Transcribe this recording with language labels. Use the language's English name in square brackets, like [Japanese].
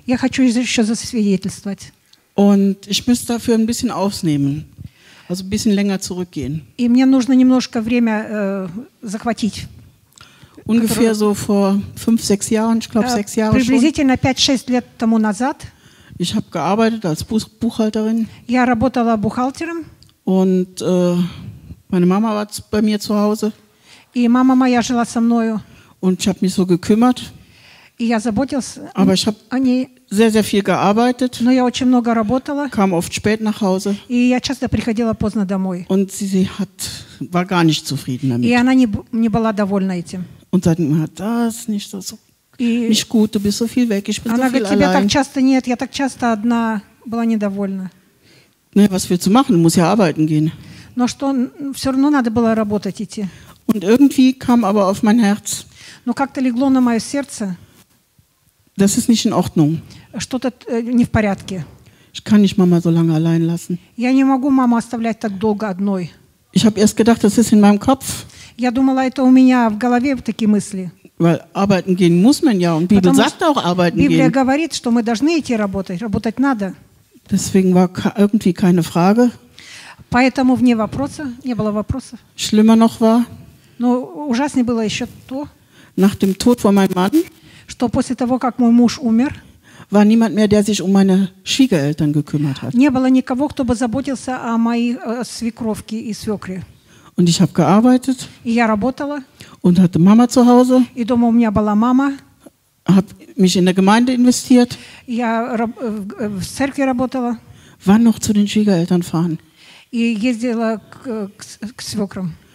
[Russian] Я хочу еще засвидетельствовать. [German] Und ich muss dafür ein bisschen ausnehmen, also ein bisschen länger zurückgehen. [Russian] И мне нужно немножко время захватить. [German] Ungefähr so vor 5-6 Jahren, ich glaube 6 Jahre schon. [Russian] Приблизительно 5-6 лет тому назад. [German] Ich habe gearbeitet als Buchhalterin. [Russian] Я работала бухгалтером. [German] Und meine Mama war bei mir zu Hause. [Russian] И мама моя жила со мною. [German] Und ich habe mich so gekümmert. [Russian] И я заботилась. [German] Aber ich habe sehr, sehr viel gearbeitet. [Russian] Но я очень много работала. [German] Kam oft spät nach Hause. [Russian] И я часто приходила поздно домой. [German] Und sie hat, war gar nicht zufrieden damit. [Russian] И она не была довольна этим. [German] Und sagt immer, das nicht so nicht gut, du bist so viel weg, ich bin so viel allein. [Russian] Она говорит, тебя так часто нет, я так часто одна была недовольна. [German] Ne, was willst du machen? Muss ja arbeiten gehen. [Russian] Но что, все равно надо было работать идти. [German] Und irgendwie kam aber auf mein Herz. [Russian] Но как-то легло на мое сердце. [German] Das ist nicht in Ordnung. [Russian] Что-то не в порядке. [German] Ich kann nicht Mama so lange allein lassen. [Russian] Я не могу маму оставлять так долго одной. [German] Ich habe erst gedacht, das ist in meinem Kopf. [Russian] Я думала, это у меня в голове такие мысли. [German] Weil arbeiten gehen muss man ja, und Bibel sagt auch arbeiten gehen. [Russian] Библия говорит, что мы должны идти работать, работать надо. [German] Deswegen war irgendwie keine Frage. [Russian] Поэтому вне вопроса, не было вопросов. [German] Schlimmer noch war. [Russian] Но ужаснее было еще то. [German] Nach dem Tod von meinem Mann. [Russian] Что после того, как мой муж умер. [German] War niemand mehr, der sich um meine Schwiegereltern gekümmert hat. [Russian] Не было никого, кто бы заботился о моей свекровке и свекре. [German] Und ich habe gearbeitet. [Russian] И я работала. [German] Und hatte Mama zu Hause. [Russian] И дома у меня была мама. [German] Hab mich in der Gemeinde investiert. [Russian] Я в церкви работала. [German] Wann noch zu den Schwiegereltern fahren? [Russian] И ездила к свекрам.